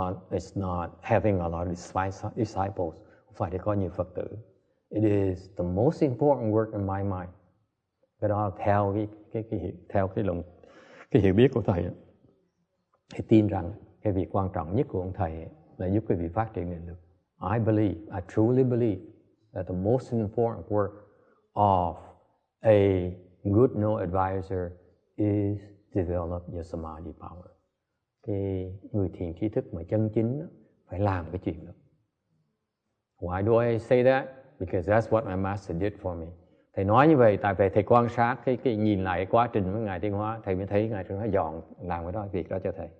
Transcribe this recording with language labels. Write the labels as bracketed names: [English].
[English] It's not having a lot of disciples. [Vietnamese] Không phải để có nhiều Phật tử. [English] It is the most important work in my mind. [Vietnamese] Cái đó theo cái hiểu biết của thầy ấy, thì tin rằng cái việc quan trọng nhất của ông thầy ấy, là giúp quý vị phát triển nghị lực. [English] I truly believe that the most important work of a good no advisor is develop your samadhi power. [Vietnamese] Cái người thiền trí thức mà chân chính phải làm cái chuyện đó. [English] Why do I say that? Because that's what my master did for me. [Vietnamese] Thầy nói như vậy tại vì thầy quan sát cái nhìn lại cái quá trình với Ngài Tiên Hóa, thầy mới thấy Ngài Tiên Hóa dọn làm cái đó, việc đó cho thầy.